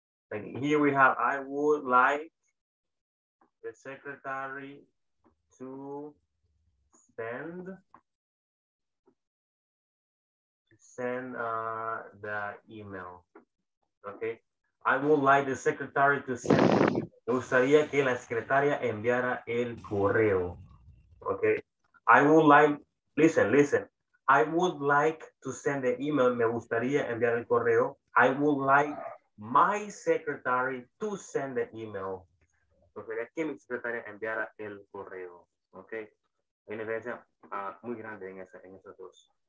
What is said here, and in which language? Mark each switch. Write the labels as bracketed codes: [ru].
[en] And here we have, I would like the secretary to send the email. Okay. I would like the secretary to send. [es] Me gustaría que la secretaria enviara el correo. [en] Okay. I would like, listen. I would like to send the email. [es] Me gustaría enviar el correo. [en] I would like my secretary to send the email. [es] Gustaría que mi secretaria enviara el correo. Okay. Hay una diferencia muy grande en esas dos.